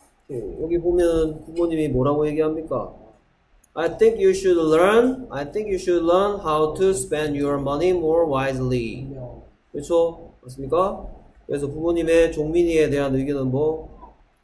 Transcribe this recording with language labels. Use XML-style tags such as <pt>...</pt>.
<ko>여기 보면 부모님이 뭐라고 얘기합니까?</ko> <en>I think you should learn how to spend your money more wisely.</en> <ko>그렇죠? 맞습니까? 그래서 부모님의 종민이에 대한 의견은 뭐?</ko>